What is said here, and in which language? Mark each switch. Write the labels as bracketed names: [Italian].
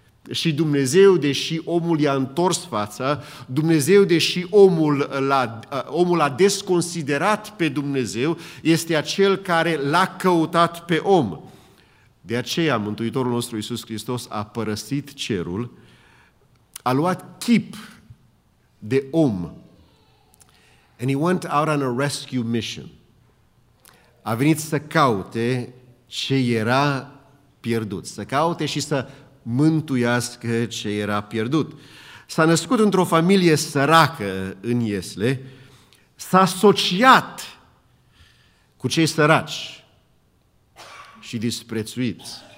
[Romanian] Și Dumnezeu, deși omul i-a întors fața, Dumnezeu, deși omul a desconsiderat pe Dumnezeu, este acel care l-a căutat pe om. De aceea Mântuitorul nostru Iisus Hristos a părăsit cerul, a luat chip de om. [English] And he went out on a rescue mission. [Romanian] A venit să caute ce era pierdut, să caute și să mântuiască ce era pierdut. S-a născut într-o familie săracă în Iesle, s-a asociat cu cei săraci și disprețuiți.